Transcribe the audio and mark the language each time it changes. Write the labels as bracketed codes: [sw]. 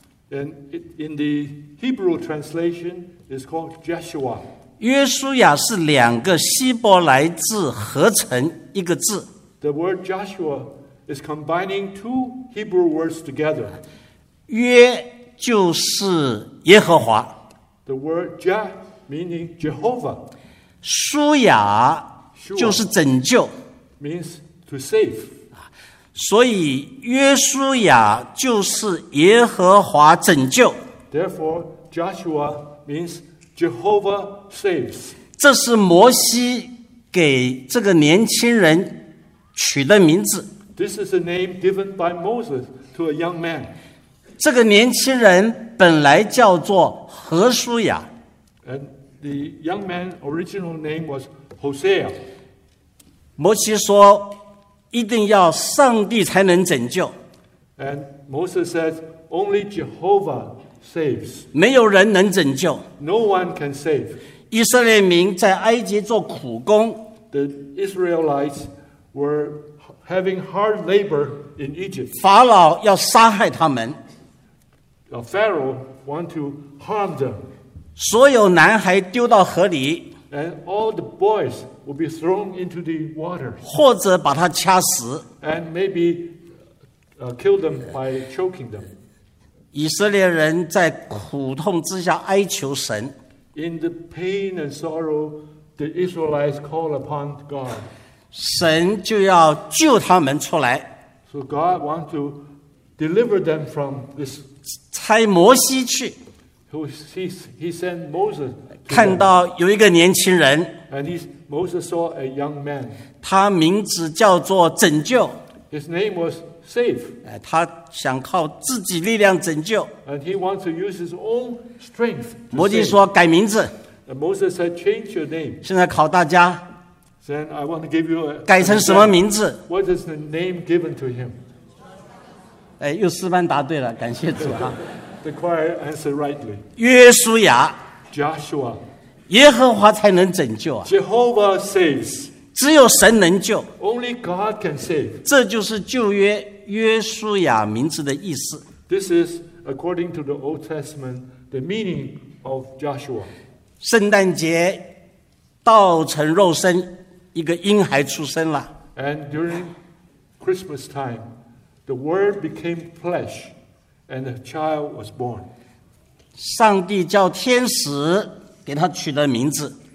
[en] And in the Hebrew translation, it's called Joshua. [zh] 约书亚是两个希伯来字合成一个字。 [en] The word Joshua is combining two Hebrew words together. [zh] 约就是耶和华。 [en] The word Jah meaning Jehovah. [zh] 书亚就是拯救。 [en] Means to save. [zh] 所以约书亚就是耶和华拯救。 [en] Therefore, Joshua means Jehovah saves. [zh] 这是摩西给这个年轻人取的名字。 [en] This is a name given by Moses to a young man. [zh] 这个年轻人本来叫做何书亚。 [en] And the young man's original name was Hosea. [zh] 摩西说一定要上帝才能拯救。 [en] And Moses says only Jehovah saves. [zh] 没有人能拯救。 [en] No one can save. [zh] 以色列民在埃及做苦工。 [en] The Israelites were having hard labor in Egypt. [zh] 法老要杀害他们。 [en] The Pharaoh want to harm them. [zh] 所有男孩丢到河里。 [en] And all the boys will be thrown into the water. [zh] 或者把他掐死。 [en] And maybe kill them by choking them. [zh] 以色列人在苦痛之下哀求神。 [en] In the pain and sorrow, the Israelites call upon God. [zh] 神就要救他们出来。 [en] So God want to deliver them from this. [zh] 差摩西去。 [en] He sent Moses. [zh] 看到有一个年轻人。 [en] And Moses saw a young man. [zh] 他名字叫做拯救。 [en] His name was Save. [zh] 他想靠自己力量拯救。 [en] And he wants to use his own strength. [zh] 摩西说改名字。 [en] And Moses said, change your name. [zh] 现在考大家。 [en] Then I want to give you a. [zh] 改成什么名字？ [en] What is the name given to him? [zh] 又四班答对了，感谢主啊。 [en] The choir answered rightly. [zh] 约书亚。 [en] Joshua. [zh] 耶和华才能拯救啊。 [en] Jehovah saves. [zh] 只有神能救。 [en] Only God can save. [zh] 这就是旧约约书亚名字的意思。 [en] This is according to the Old Testament, the meaning of Joshua. [zh] 圣诞节道成肉身，一个婴孩出生了。 [en] And during Christmas time, the word became flesh. And a child was born. [zh] 上帝叫天使给他取了名字。